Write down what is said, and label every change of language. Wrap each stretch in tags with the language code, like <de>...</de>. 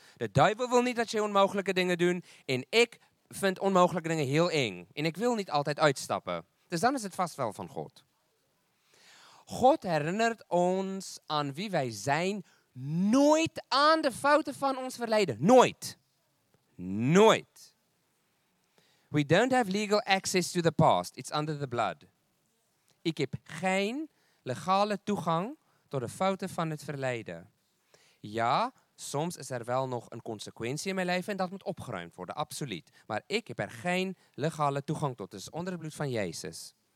<nl>De duivel wil niet dat je onmogelijke dingen doet en ik vind onmogelijke dingen heel eng. En ik wil niet altijd uitstappen. Dus dan is het vast wel van God. God herinnert ons aan wie wij zijn, nooit aan de fouten van ons verleden. Nooit. Nooit.</nl> <en>We don't have legal access to the past. It's under the blood.</en> <nl>Ik heb geen legale toegang tot de fouten van het verleden. Ja, soms is er wel nog een consequentie in mijn leven en dat moet opgeruimd worden, absoluut. Maar ik heb er geen legale toegang tot. Dus onder het bloed van Jezus.</nl>